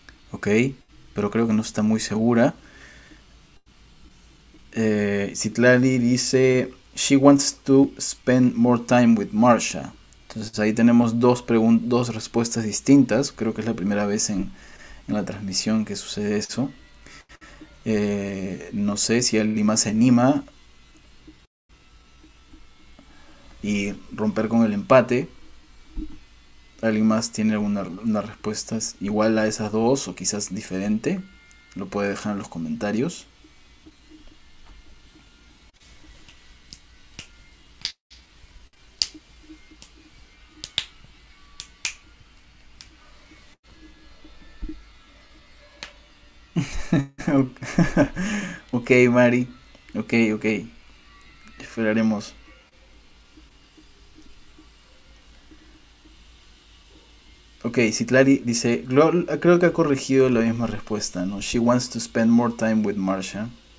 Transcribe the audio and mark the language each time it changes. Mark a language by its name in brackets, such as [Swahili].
[Spanish] Ok, pero creo que no está muy segura. [English] Citlali dice she wants to spend more time with Marcia. [Spanish] Entonces ahí tenemos dos respuestas distintas. Creo que es la primera vez en la transmisión que sucede eso. No sé si alguien más se anima y romper con el empate. ¿Alguien más tiene alguna respuesta igual a esas dos o quizás diferente? Lo puede dejar en los comentarios. Ok, Mari. Ok. Esperaremos. Ok, Citlali dice, creo que ha corregido la misma respuesta, ¿no? [English] She wants to spend more time with Marcia.